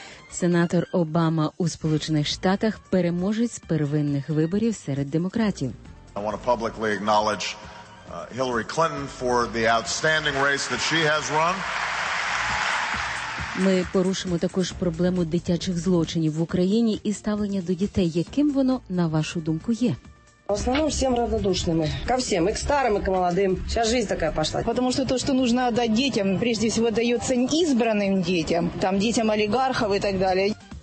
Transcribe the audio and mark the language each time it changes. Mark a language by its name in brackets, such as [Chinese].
[Ukrainian] Сенатор Обама у Сполучених Штатах – переможець первинних виборів серед демократів. [English] I want to publicly acknowledge Hillary Clinton for the outstanding race that she has run. [Ukrainian] Ми порушимо також проблему дитячих злочинів в Україні і ставлення до дітей. Яким воно, на вашу думку, є? В основному всім равнодушними. Ко всім, і к старим, і к молодим. Вся життя така пішла. Тому що то, що потрібно дати дітям, [Russian] прежде всього, [Ukrainian] дається ізбраним дітям, там дітям олігархів і так далі.